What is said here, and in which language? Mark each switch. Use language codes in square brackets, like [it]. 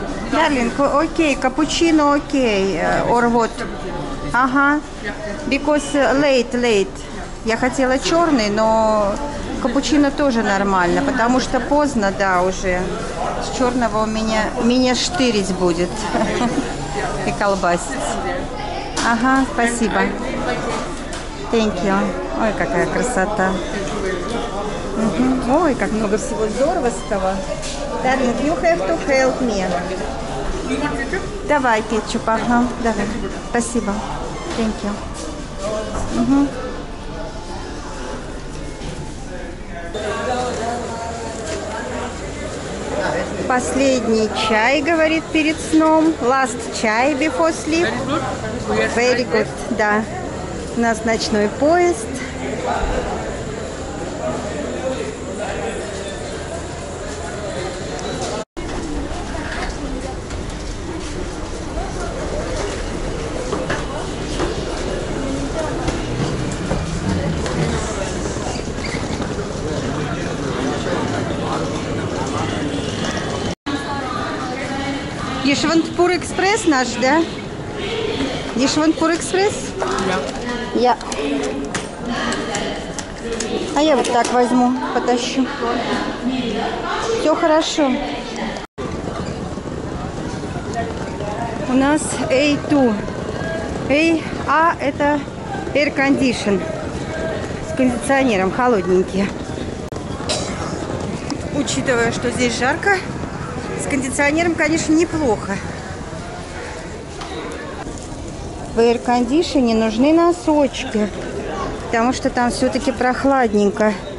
[ru] Darling, окей, капучино окей, [en] or what? Ага, because late. [ru] Я хотела черный, но капучино тоже нормально, потому что поздно, да, уже. С черного у меня штырить будет и колбасить. Ага, спасибо. [en] Thank you. [ru] Ой, какая красота. Ой, как много всего здоровского. [en] Darling, you have to help me. [ru] Давай кетчуп, ага, давай. Спасибо. [en] Thank you. [ru] Угу. Последний чай, говорит, перед сном. [en] Last чай before sleep. Very good, да. [ru] У нас ночной поезд. Ешвантпур экспресс наш, да? Ешвантпур экспресс? Да. А я вот так возьму, потащу. Все хорошо. У нас A2. A это air condition. С кондиционером, холодненький. Учитывая, что здесь жарко, с кондиционером, конечно, неплохо. В эйр-кондишене нужны носочки, потому что там все-таки прохладненько.